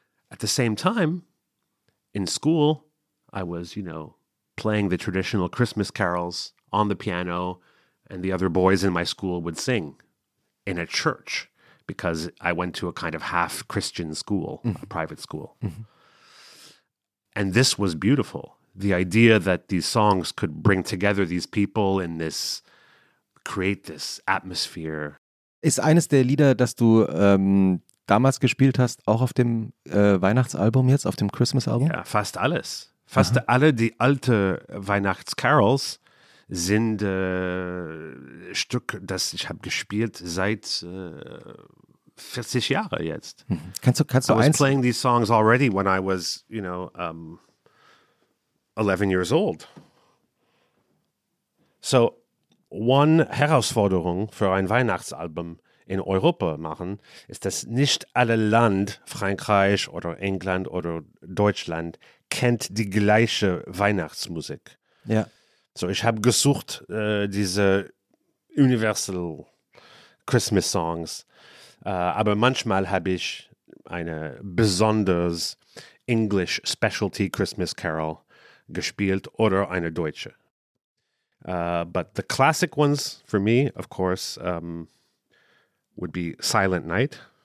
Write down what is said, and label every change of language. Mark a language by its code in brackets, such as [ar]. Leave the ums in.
[en] At the same time, in school, I was, you know, playing the traditional Christmas carols on the piano, and the other boys in my school would sing in a church because I went to a kind of half Christian school, mm -hmm. private school. Mm -hmm. And this was beautiful. The idea that these songs could bring together these people in this, create this atmosphere. [de] Ist eines der Lieder, das du ähm, um, damals gespielt hast, auch auf dem äh, uh, Weihnachtsalbum jetzt, auf dem Christmas-Album? Ja, yeah, fast alles. Fast ja. alle die alten Weihnachtscarols sind äh, Stücke, Stück, das ich habe gespielt seit äh, 40 Jahren jetzt. Kannst du kannst du eins [en] playing these songs schon when I was, you know, um, 11 years old. [de] So one Herausforderung für ein Weihnachtsalbum in Europa machen, ist, dass nicht alle Land, Frankreich oder England oder Deutschland, kennt die gleiche Weihnachtsmusik. Ja. Yeah. So, ich habe gesucht, äh, uh, diese [en] Universal Christmas Songs. [de] Äh, uh, aber manchmal habe ich eine besonders [en] English Specialty Christmas Carol [de] gespielt oder eine deutsche. [en] Uh, but the classic ones for me, of course, um, would be Silent Night.